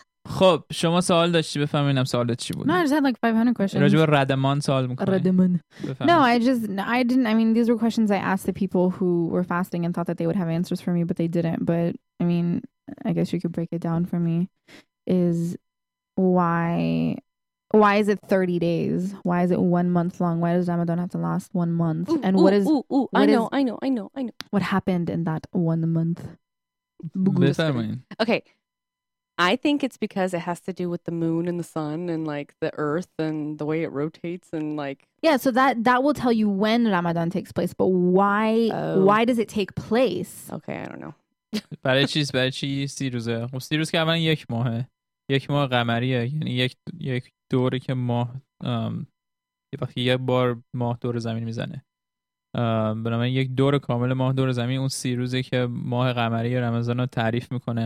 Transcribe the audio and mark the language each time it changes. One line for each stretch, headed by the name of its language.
Persian: خب شما سوال داشتی بفهمینم سوالت چی بود.
English: No, I just had like 500 questions.
Persian: راجب ردمان سوال میکنی. ردمان.
English: No, I mean these were questions I asked the people who were fasting and thought that they would have answers for me, but they didn't. But I mean, I guess you could break it down for me. Is why is it 30 days? Why is it 1 month long? Why does Ramadan have to last 1 month? Ooh, and ooh, what is? Ooh, ooh. What I know. What happened in that 1 month?
Persian: بفهمین.
English: Okay. I think it's because it has to do with the moon and the sun and like the earth and the way it rotates and like. Yeah, so that will tell you when Ramadan takes place, but why why does it take place? Okay, I don't know.
Persian: برای چیز برای چی سی روزه؟ خب سی روز که اولا یک ماهه. یک ماه قمریه. یعنی یک دوره که ماه یه وقتی یک بار ماه دور زمین میزنه. بنابراین یک دور کامل ماه دور زمین اون سی روزه که ماه قمری رمضان رو تعریف میکنه.